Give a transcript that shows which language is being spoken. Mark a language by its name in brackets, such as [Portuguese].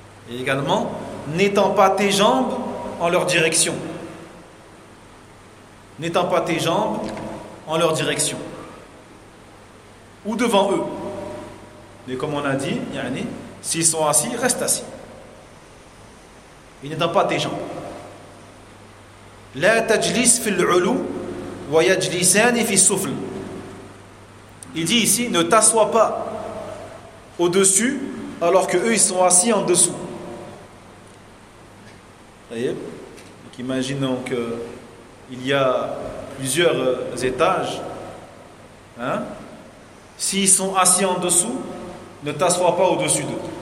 [French] Et également, n'étends pas tes jambes en leur direction. N'étends pas tes jambes en leur direction. Ou devant eux. Mais comme on a dit, yani, s'ils sont assis, reste assis. Et n'étends pas tes jambes. [Arabic] لا تجلس في العلو ويجلسان في السفل. [French] Il dit ici, ne t'assois pas au-dessus, alors qu'eux, ils sont assis en dessous. Vous voyez ? Imaginons qu'il y a plusieurs étages. Hein ? S'ils sont assis en dessous, ne t'assois pas au-dessus d'eux.